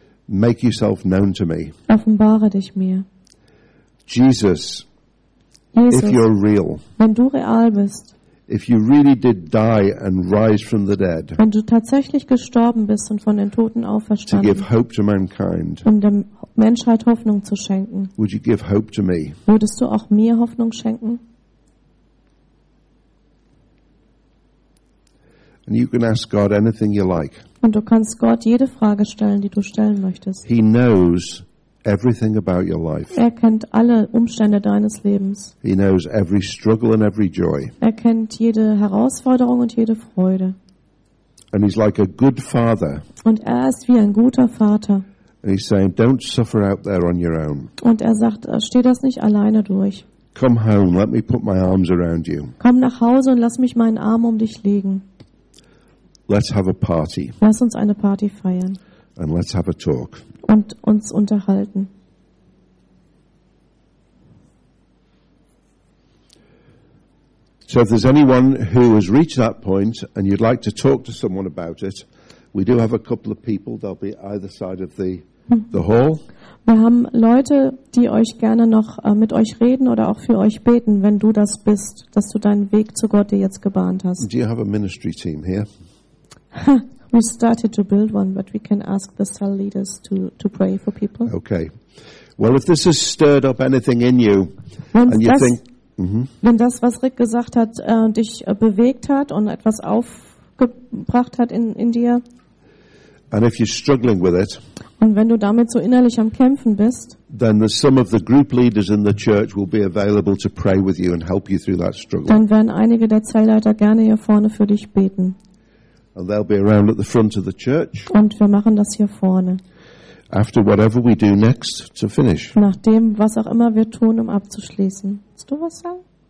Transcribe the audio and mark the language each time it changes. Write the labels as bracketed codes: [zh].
[en] make yourself known to me. [de] Offenbare dich mir. [en] Jesus, if you're real, [de] wenn du real bist, [en] if you really did die and rise from the dead, [de] wenn du tatsächlich gestorben bist und von den Toten auferstanden, [en] to give hope to mankind, [de] um der Menschheit Hoffnung zu schenken, [en] would you give hope to me? [de] Würdest du auch mir Hoffnung schenken? [en] And you can ask God anything you like. [de] Und du kannst Gott jede Frage stellen, die du stellen möchtest. [en] He knows everything about your life. [de] Er kennt alle Umstände deines Lebens. [en] He knows every struggle and every joy. [de] Er kennt jede Herausforderung und jede Freude. [en] And he's like a good father. [de] Und er ist wie ein guter Vater. [en] And he's saying, don't suffer out there on your own. [de] Und er sagt, steh das nicht alleine durch. [en] Come home, let me put my arms around you. [de] Komm nach Hause und lass mich meinen Arm um dich legen. [en] Let's have a party. [de] Lass uns eine Party feiern. [en] And let's have a talk. [de] Und uns unterhalten. [en] So if there's anyone who has reached that point and you'd like to talk to someone about it, we do have a couple of people, they'll be either side of the hall. [de] Wir haben Leute, die euch gerne noch mit euch reden oder auch für euch beten, wenn du das bist, dass du deinen Weg zu Gott dir jetzt gebahnt hast. [en] Do you have a ministry team here? We started to build one, but we can ask the cell leaders to pray for people. Okay. Well, if this has stirred up anything in you, and you think, [de] wenn das, was Rick gesagt hat, dich bewegt hat und etwas aufgebracht hat in dir, [en] and if you're struggling with it, [de] und wenn du damit so innerlich am Kämpfen bist, [en] then some of the group leaders in the church will be available to pray with you and help you through that struggle. [de] Dann werden einige der Zellleiter gerne hier vorne für dich beten. [en] And they'll be around at the front of the church. [de] Und wir machen das hier vorne. [en] After whatever we do next to finish. [de] Nach dem, was auch immer wir tun, um abzuschließen. Willst du was sagen?